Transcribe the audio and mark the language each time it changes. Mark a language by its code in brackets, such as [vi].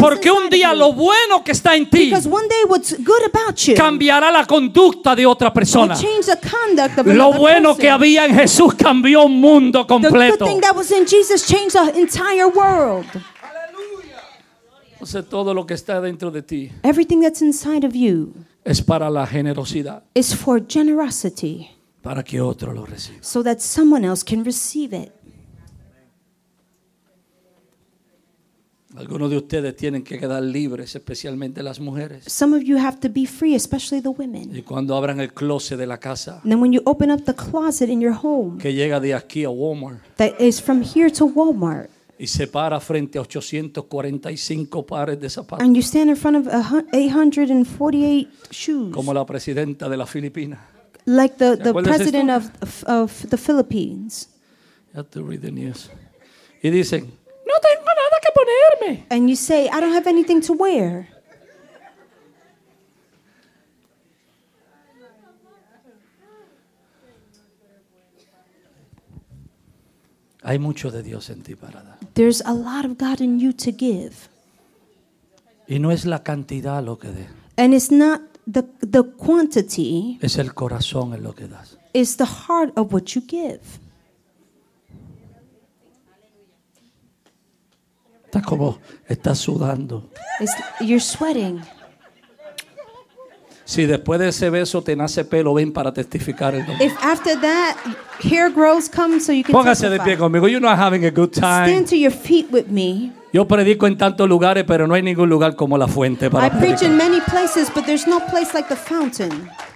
[es] Porque un día lo bueno que está en ti, [en] because one day what's good about you, [es] cambiará la conducta de otra persona. [en] Will change the conduct of [es] lo bueno [en] person. [es] Que había en Jesús cambió un mundo completo. [en] The thing that was in Jesus changed the entire world. [es] O sea, todo lo que está dentro de ti. [en] Everything that's inside of you. [es] Es para la generosidad. [en] Is for generosity. [es] Para que otro lo reciba. [en] So that someone else can receive it. [es] Algunos de ustedes tienen que quedar libres, especialmente las mujeres. [en] Some of you have to be free, especially the women. [es] Y cuando abran el closet de la casa. [en] And then when you open up the closet in your home. [es] Que llega de aquí a Walmart. [en] That is from here to Walmart. [es] Y se para frente a 845 pares de zapatos. [en] And you stand in front of 848 shoes. [es] Como la presidenta de las Filipinas. [en] Like the president of the Philippines. You have to read the news. [es] Y dicen, no tengo nada que ponerme. [en] And you say, I don't have anything to wear. [es] Hay mucho de Dios en ti para dar. [en] There's a lot of God in you to give. [es] Y no es la cantidad lo que de. [en] And it's not the quantity. [es] Es el corazón en lo que das. [en] It's the heart of what you give. [es] Estás como, estás sudando. [en] You're sweating. [es] Si después de ese beso te nace pelo, ven para testificar el [en] domingo. If after that hair grows, come so you can. [es] Póngase de pie conmigo. [en] You're not having a good time. Stand to your feet with me. [es] Yo predico en tantos lugares, pero no hay ningún lugar como la fuente para predicar. [en] I preach in many places, but there's no place like the fountain.